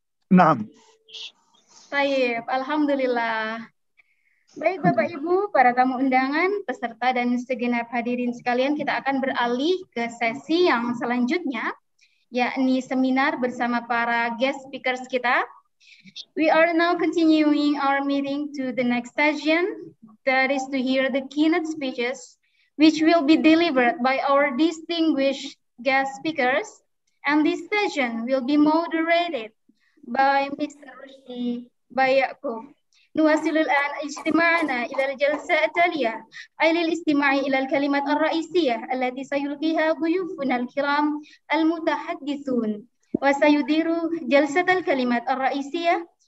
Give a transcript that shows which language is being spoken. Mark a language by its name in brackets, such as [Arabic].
[Arabic] Naam. Tayyib, alhamdulillah. [Indonesian] Baik Bapak Ibu, para tamu undangan, peserta dan segenap hadirin sekalian, kita akan beralih ke sesi yang selanjutnya, yakni seminar bersama para guest speakers kita. [English] We are now continuing our meeting to the next session, that is to hear the keynote speeches, which will be delivered by our distinguished guest speakers, and this session will be moderated by Mr. Rushdi Bayakub. [Arabic] نواصل الآن اجتماعنا إلى الجلسة التالية أي للاستماع إلى الكلمات الرئيسية التي سيلقيها ضيوفنا الكرام المتحدثون وسيدير جلسة الكلمات الرئيسية